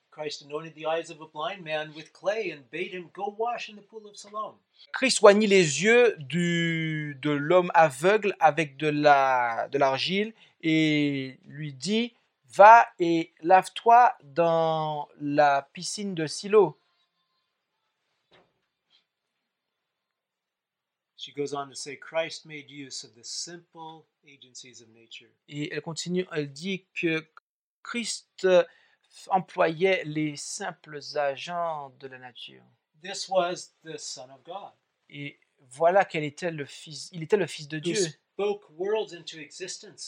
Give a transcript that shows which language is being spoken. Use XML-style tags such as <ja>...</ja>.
<en>Christ anointed the eyes of a blind man with clay and bade him go wash in the pool of Siloam.</en> <fr>Christ soignit les yeux de l'homme aveugle avec de l'argile et lui dit, va et lave-toi dans la piscine de Silo.</fr> <en>She goes on to say, Christ made use of the simple agencies of nature.</en> <fr>Et elle continue, elle dit que Christ employait les simples agents de la nature.</fr> <en>This was the Son of God.</en> <fr>Et voilà qu'elle était le fils, il était le Fils de Dieu.</fr> <en>Who spoke worlds into existence.</en>